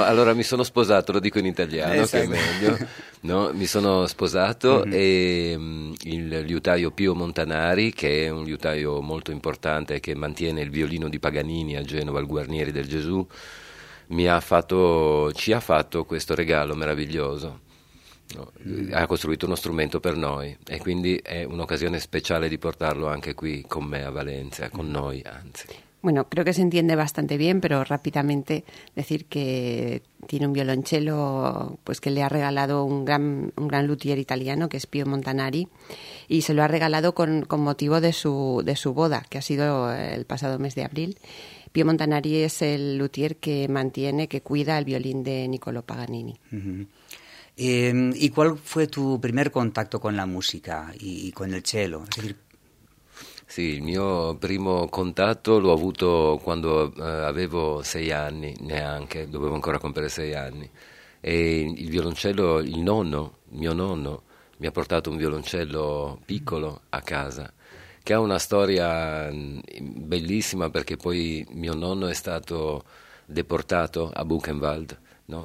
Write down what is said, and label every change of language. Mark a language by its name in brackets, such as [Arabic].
[Italian] Allora mi sono sposato, lo dico in italiano, esatto. Che è meglio. No, mi sono sposato e il liutaio Pio Montanari, che è un liutaio molto importante che mantiene il violino di Paganini a Genova, il Guarnieri del Gesù, ci ha fatto questo regalo meraviglioso. Ha costruito uno strumento per noi e quindi è un'occasione speciale di portarlo anche qui con me a Valencia, con noi anzi. [Spanish] Bueno, creo que se entiende bastante bien, pero rápidamente decir que tiene un violonchelo pues que le ha regalado un gran luthier italiano, que es Pio Montanari, y se lo ha regalado con motivo de su boda, que ha sido el pasado mes de abril. Pio Montanari es el luthier que mantiene, que cuida el violín de Niccolò Paganini. Uh-huh. ¿Y cuál fue tu primer contacto con la música y con el cello? Es decir, [Italian] sì, il mio primo contatto l'ho avuto quando avevo 6 anni, neanche, dovevo ancora compiere 6 anni. E il violoncello, mio nonno, mi ha portato un violoncello piccolo a casa, che ha una storia bellissima, perché poi mio nonno è stato deportato a Buchenwald, no?